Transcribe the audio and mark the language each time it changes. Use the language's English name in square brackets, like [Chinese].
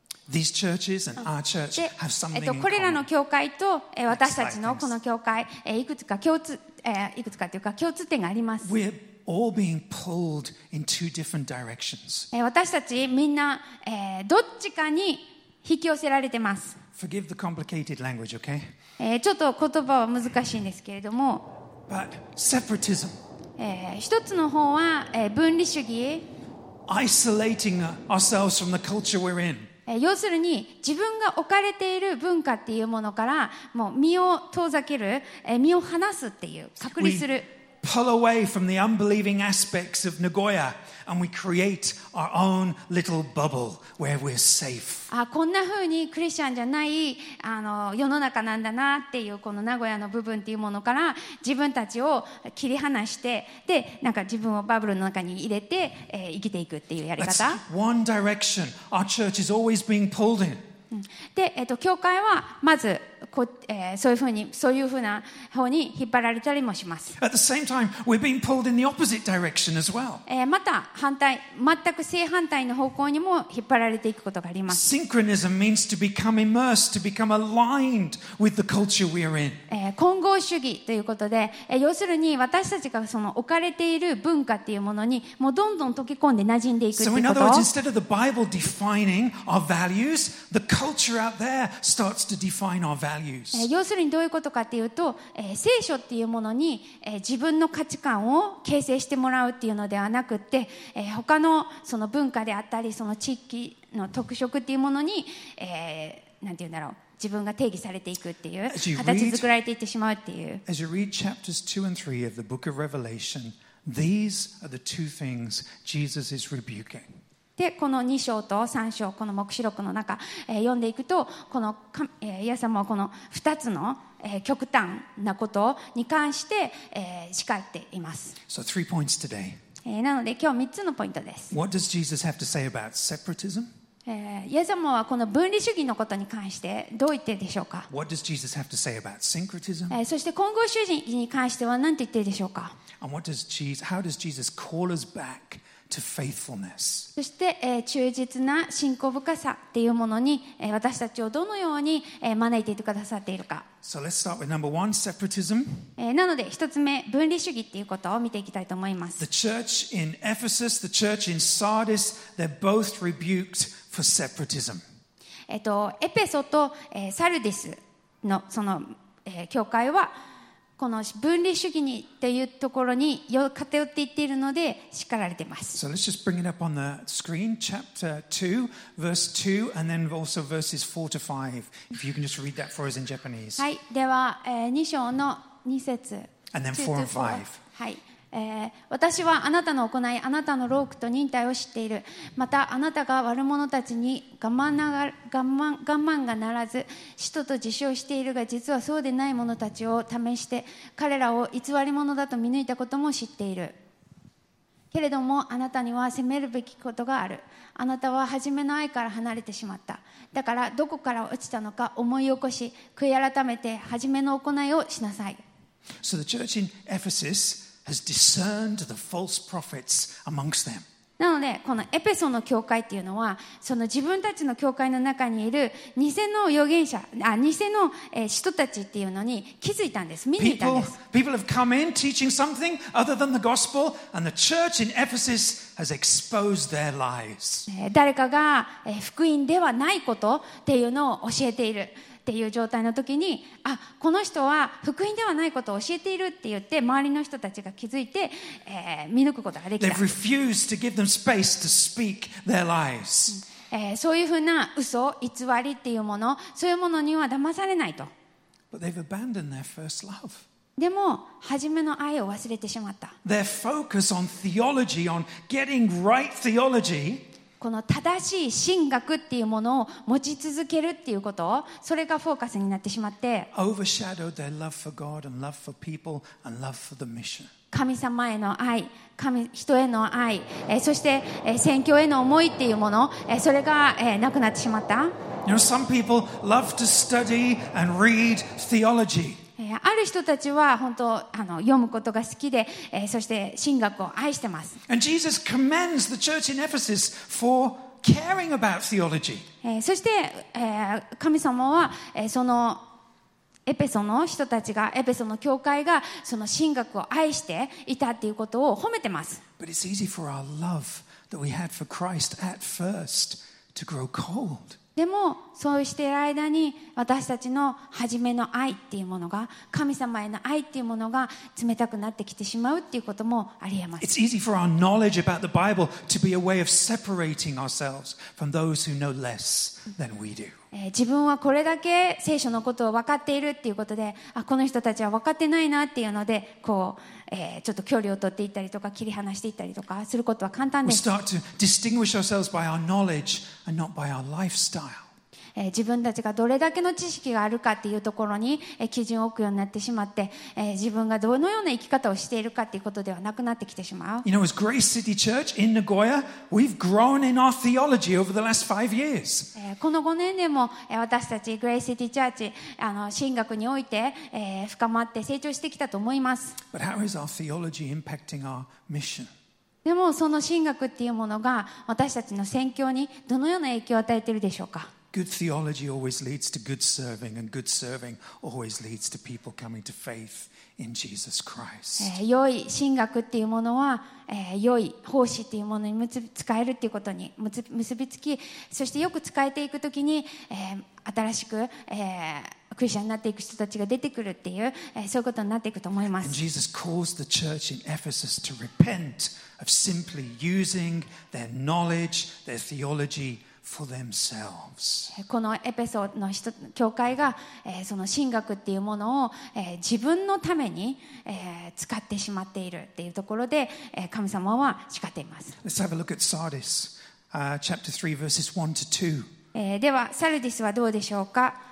[English] These churches and our church have something in common. [Japanese] これらの教会と私たちのこの教会、いくつかというか共通点があります。 [English] We're all being pulled in two different directions. [Japanese] 私たちみんな、どっちかに引き寄せられてます。 [English] Forgive the complicated language, okay? [Japanese] ちょっと言葉は難しいんですけれども [English] But separatism. [Japanese] 一つの方は、分離主義 [English] Isolating ourselves from the culture we're in. [Japanese] 要するに自分が置かれている文化っていうものからもう身を遠ざける、身を離すっていう隔離する [English] We pull away from the unbelieving aspects of Nagoya. And we create our own little bubble where we're safe. [Japanese] こんな風にクリスチャンじゃない世の中なんだなっていうこの名古屋の部分っていうものから自分たちを切り離してでなんか自分をバブルの中に入れて、生きていくっていうやり方。 [English] That's one direction our church is always being pulled in. [Japanese] で、教会はまずこ、そういう風にそういう風な方に引っ張られたりもします。 [English] At the same time, we're being pulled in the opposite direction as well. [Japanese] また反対、全く正反対の方向にも引っ張られていくことがあります。 [English] Synchronism means to become immersed, to become aligned with the culture we are in. [Japanese] 混合主義ということで、要するに私たちがその置かれている文化っていうものにもうどんどん溶け込んで馴染んでいくということ。 [English] So in other words, instead of the Bible defining our values, the culture out there starts to define our values. [Japanese] 要するにどういうことかというと、聖書っていうものに、自分の価値観を形成してもらうっていうのではなくって、他のその文化であったりその地域の特色っていうものに、なんていうんだろう自分が定義されていくっていう形作られていってしまうっていう。 [English] As you read chapters 2 and 3 of the book of Revelation, these are the two things Jesus is rebuking. [Japanese] でこの2章と3章この黙示録の中、読んでいくとこの、イエス様はこの2つの、極端なことに関して、叱っています。 [English] So three points today. [Japanese] なので今日3つのポイントです。 [English] What does Jesus have to say about separatism? [Japanese] イエス様はこの分離主義のことに関してどう言ってるでしょうか? [English] What does Jesus have to say about syncretism? [Japanese] そして混合主義に関しては何て言ってるでしょうか? [English] And what does Jesus, how does Jesus call us back? To faithfulness. [Japanese] そして、忠実な信仰深さっていうものに、私たちをどのように、招いていてくださっているか。 [English] So let's start with number one, separatism. [Japanese] なので一つ目、分離主義っていうことを見ていきたいと思います。 [English] The church in Ephesus, the church in Sardis, they're both rebuked for separatism. [Japanese] エペソと、サルディスのその、教会は。この分離主義にというところに偏っていっているので叱られています。 [English] So let's just bring it up on the screen. Chapter 2, verse 2 and then also verses 4 to 5. If you can just read that for us in Japanese. [Japanese] はい、では、2章の2節 [English] And then 4 and 5. [Japanese] はい、私はあなたの行いあなたの労苦と忍耐を知っている。またあなたが悪者たちに我慢がならず使徒と自称しているが実はそうでない者たちを試して彼らを偽り者だと見抜いたことも知っているけれどもあなたには責めるべきことがある。あなたは初めの愛から離れてしまった。だからどこから落ちたのか思い起こし悔い改めて初めの行いをしなさい。 [English] So the church in EphesusHas discerned the false prophets amongst them. [Japanese] なのでこのエペソの教会っていうのはその自分たちの教会の中にいる偽の預言者あ偽の、使徒たちっていうのに気づいたんです見抜いたんです。 [English] People have come in teaching something other than the gospel, and the church in Ephesus has exposed their lies. [Japanese] 誰かが、福音ではないことっていうのを教えている。っていう状態の時にあこの人は福音ではないことを教えているって言って周りの人たちが気づいて、見抜くことができた。 [English] They've refused to give them space to speak their lies. [Japanese] そういうふうな嘘、偽りっていうもの、そういうものには騙されないと。 [English] But they've abandoned their first love. [Japanese] でも初めの愛を忘れてしまった。 [English] Their focus on theology, on getting right theology. [Japanese] この正しい神学っていうものを持ち続けるっていうこと、それがフォーカスになってしまって、 [English] overshadowed their love for God and love for people and love for the mission. [Japanese] 神様への愛、人への愛、そして宣教への思いっていうもの、それがなくなってしまった。 [English] You know, some people love to study and read theology. [Japanese] ある人たちは本当読むことが好きで、そして神学を愛してます。 [English] And Jesus commends the church in Ephesus for caring about theology. [Japanese] そして、神様は、そのエペソの人たちが、エペソの教会がその神学を愛していたっていうことを褒めてます。 [English] But it's easy for our love that we had for Christ at first to grow cold. [Japanese] でもそうしている間に私たちの初めの愛っていうものが、神様への愛っていうものが冷たくなってきてしまうっていうこともありえます。 [English] It's easy for our knowledge about the Bible to be a way of separating ourselves from those who know less than we do. [Japanese] 自分はこれだけ聖書のことを分かっているっていうことで、あ、この人たちは分かってないなっていうので、こう、ちょっと距離を取っていったりとか切り離していったりとかすることは簡単です。 [English] We start to distinguish ourselves by our knowledge and not by our lifestyle. [Japanese] 自分たちがどれだけの知識があるかっていうところに基準を置くようになってしまって、自分がどのような生き方をしているかっていうことではなくなってきてしまう。 [English] You know, as Grace City Church in Nagoya, we've grown in our theology over the last five years. [Japanese] この5年でも私たち Grace City Church 神学において深まって成長してきたと思います。 [English] But how is our theology impacting our mission? [Japanese] でもその神学っていうものが私たちの宣教にどのような影響を与えているでしょうか。 [English] Good theology always leads to good serving, and good serving always leads to people coming to faith in Jesus Christ. [Japanese] 良い神学っていうものは、良い奉仕っていうものに使えるっていうことに結びつき、そしてよく使えていくときに、新しく、クリスチャンになっていく人たちが出てくるっていう、そういうことになっていくと思います。 [English] And Jesus calls the church in Ephesus to repentOf simply using their knowledge, their theology for themselves. [Japanese] このエペソの教会が、その神学っていうものを、自分のために、使ってしまっているっていうところで、神様は叱っています。 [English] Let's have a look at Sardis, chapter 3, verses 1 to 2. [Japanese] ではサルディスはどうでしょうか。